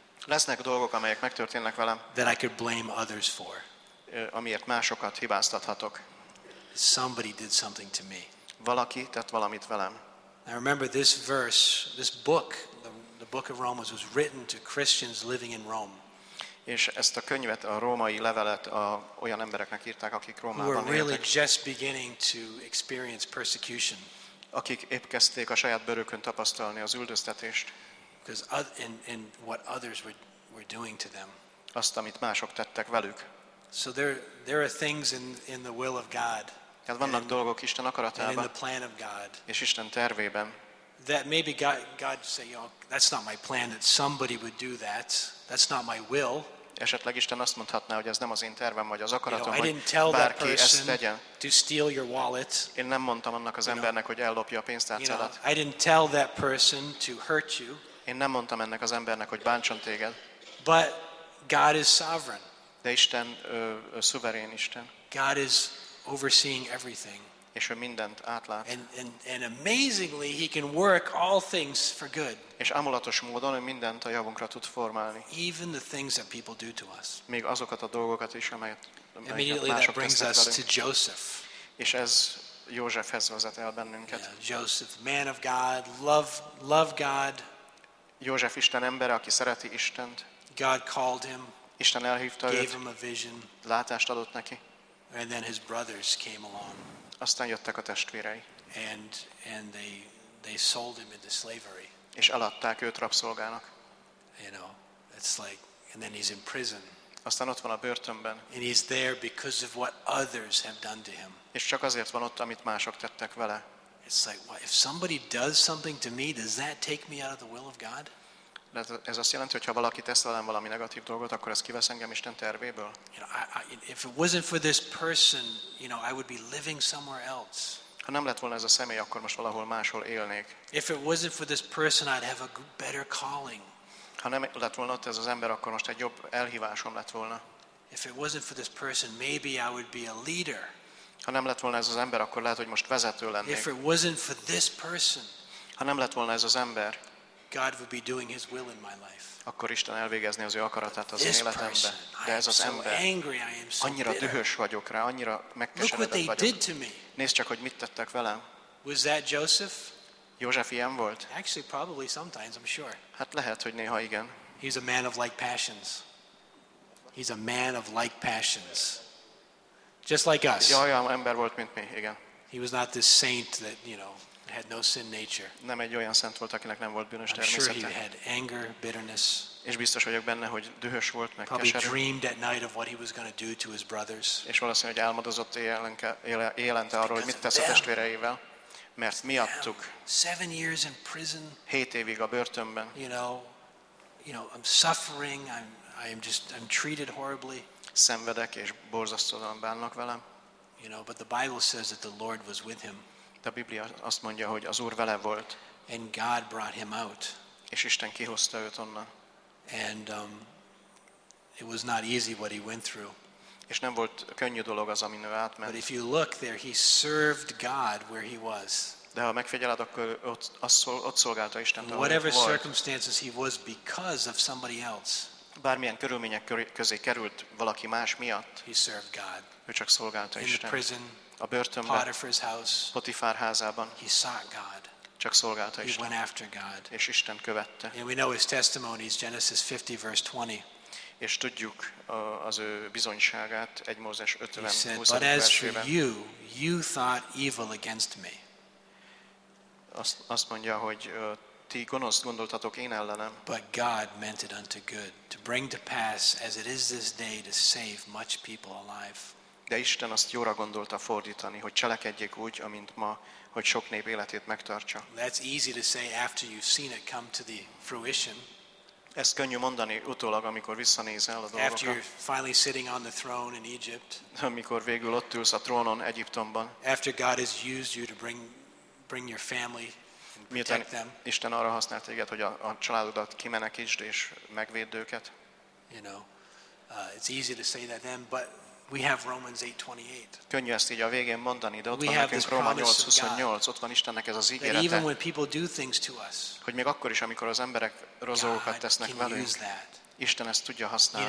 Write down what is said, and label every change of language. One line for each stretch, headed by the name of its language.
Hungarian: Lesznek dolgok, amelyek megtörténnek velem,
English: that I could blame others for.
Hungarian: Amiért másokat hibáztathatok.
English: Somebody did something to me.
Hungarian: Valaki tett valamit velem.
English: I remember this verse, this book, the book of Romans was written to Christians living in Rome.
Hungarian: És ezt a könyvet, a római levelet olyan embereknek írták, akik Rómában éltek.
English: Who were really just beginning to experience persecution.
Hungarian: Akik épp kezdték a saját bőrükön tapasztalni az üldöztetést.
English: Because and what others were doing to them.
Hungarian: Azt, amit mások tettek velük.
English: So there are things in the will of God.
Hungarian: Tehát vannak dolgok Isten akaratában.
English: And in the plan of God.
Hungarian: És Isten tervében.
English: That maybe God say, you know, that's not my plan that somebody would do that. That's not my will.
Hungarian: Esetleg Isten azt mondhatná, hogy ez nem az én tervem, vagy az akaratom, hogy bárki ezt tegyen.
English: To steal your wallet.
Hungarian: Én nem mondtam annak az embernek, hogy ellopja a pénztárcádat.
English: I didn't tell that person to hurt you.
Hungarian: Én nem mondtam ennek az embernek, hogy bántson téged.
English: But God is sovereign.
Hungarian: De Isten szuverén Isten.
English: God is overseeing everything.
Hungarian: És ő mindent átlát.
English: And amazingly he can work all things for good.
Hungarian: És amulatos módon ő mindent a javunkra tud formálni.
English: Even the things that people do to us.
Hungarian: Még azokat a dolgokat is, amelyet
English: immediately that brings us to Joseph.
Hungarian: És ez Józsefhez vezet el bennünket.
English: Yeah, Joseph, man of God, love God.
Hungarian: József Isten embere, aki szereti Istent.
English: God called him.
Hungarian: Isten elhívta őt.
English: Gave him a vision.
Hungarian: Látást adott neki.
English: And then his brothers came along.
Hungarian: Aztán jöttek a testvérei.
English: And they sold him into slavery.
Hungarian: És eladták őt rabszolgának.
English: You know, it's like, and then he's in prison.
Hungarian: Aztán ott van a börtönben.
English: And he's there because of what others have done to him.
Hungarian: És csak azért van ott, amit mások tettek vele.
English: It's like, well, if somebody does something to me, does that take me out of the will of God?
Hungarian: De ez azt jelenti, hogy ha valaki tesz velem valami negatív dolgot, akkor ez kivesz engem Isten tervéből.
English: You know, if it wasn't for this person, you know, I would be living somewhere else.
Hungarian: Ha nem lett volna ez a személy, akkor most valahol máshol élnék.
English: If it wasn't for this person, I'd have a better calling.
Hungarian: Ha nem lett volna ott ez az ember, akkor most egy jobb elhívásom lett volna.
English: If it wasn't for this person, maybe I would be a leader.
Hungarian: Ha nem lett volna ez az ember, akkor lehet, hogy most vezető lennék.
English: If it wasn't for this person,
Hungarian: ha nem lett volna ez az ember,
English: God would be doing his will in my life.
Hungarian: Akkor Isten elvégezni az ő akaratát az én életemben. De ez az ember. Annyira dühös vagyok rá, annyira megkeseredett vagyok. Nézd csak, hogy mit tettek velem.
English: Was that Joseph?
Hungarian: József ilyen volt?
English: Actually, probably sometimes, I'm sure.
Hungarian: Hát lehet, hogy néha igen.
English: He's a man of like passions. He's a man of like passions. Just like us.
Hungarian: Jaj, olyan ember volt, mint mi, igen.
English: He was not this saint that, you know, had no sin nature.
Hungarian: Nem egy olyan szent volt, akinek nem volt bűnös természete.
English: Sure, he had anger, bitterness.
Hungarian: És biztos vagyok benne, hogy dühös volt, meg keserű.
English: Probably dreamed at night of what he was going to do to his brothers.
Hungarian: És valószínűleg, hogy álmodozott élente arról, hogy mit tesz a testvéreivel, mert miattuk.
English: 7 years in prison.
Hungarian: 7 évig a börtönben.
English: You know, I'm suffering. I'm treated horribly.
Hungarian: Szenvedek és borzasztóan bánnak velem.
English: You know, but the Bible says that the Lord was with him.
Hungarian: A Biblia azt mondja, hogy az Úr vele volt.
English: And God brought him out.
Hungarian: És Isten kihozta őt onnan.
English: And it was not easy what he went through.
Hungarian: És nem volt könnyű dolog az, amin ő átment.
English: But if you look there, he served God where he was.
Hungarian: De ha megfigyeled, akkor ott szolgálta Istent, ahol
English: whatever
Hungarian: volt.
English: Circumstances he was because of somebody else.
Hungarian: Bármilyen körülmények közé került valaki más miatt.
English: He served God.
Hungarian: Ő csak szolgálta Istent.
English: In prison.
Hungarian: A börtönben,
English: Potiphar's house,
Hungarian: Potifár házában,
English: he sought God.
Hungarian: Csak szolgálta Isten.
English: He went after God.
Hungarian: És Isten követte.
English: And we know his testimony is Genesis 50 verse 20.
Hungarian: És tudjuk az ő bizonyságát 1 Mózes 50
English: he said, but as for you, you thought evil against me.
Hungarian: Azt mondja, hogy ti gonoszt gondoltatok én ellenem.
English: But God meant it unto good, to bring to pass as it is this day to save much people alive.
Hungarian: De Isten azt jóra gondolta fordítani, hogy cselekedjék úgy, amint ma, hogy sok nép életét megtartsa.
English: That's easy to say after you've seen it come to the fruition.
Hungarian: Ezt könnyű mondani utólag, amikor visszanézel a dolgokra.
English: After you're finally sitting on the throne in Egypt.
Hungarian: Amikor végül ott ülsz a trónon Egyiptomban.
English: After God has used you to bring your family and protect them.
Hungarian: Isten arra használt téged, hogy a családodat kimenekítsd és megvédd őket.
English: You know, it's easy to say that then, but we have Romans 8:28.
Hungarian: Könnyű ezt így a végén mondani, de ott van nekünk Róma 8:28. Ott van Istennek ez az ígérete.
English: Even when people do things to us,
Hungarian: hogy még akkor is, amikor az emberek rossz dolgokat tesznek velünk, Isten ezt tudja használni.